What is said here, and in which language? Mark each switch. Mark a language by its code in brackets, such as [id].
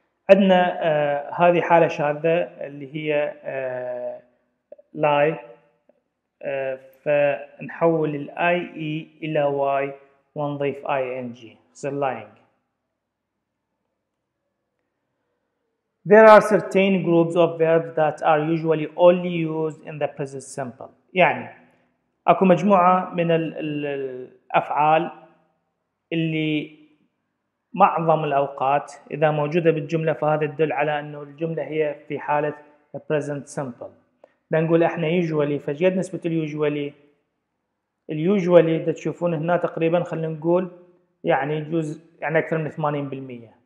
[ar] عندنا هذه حالة شاذة اللي هي لاي، فنحول الاي اي الى واي ونضيف اي ان جي، صار لاينج. [en] There are certain groups of verbs that are usually only used in the present simple. [ar] يعني اكو مجموعة من الافعال اللي معظم الأوقات إذا موجودة بالجملة فهذا يدل على أنه الجملة هي في حالة [en] the present simple. [ar] بنقول إحنا usually، فجد نسبة usually، usually إذا تشوفون هنا تقريبا خلينا نقول يعني يجوز يعني أكثر من 80%.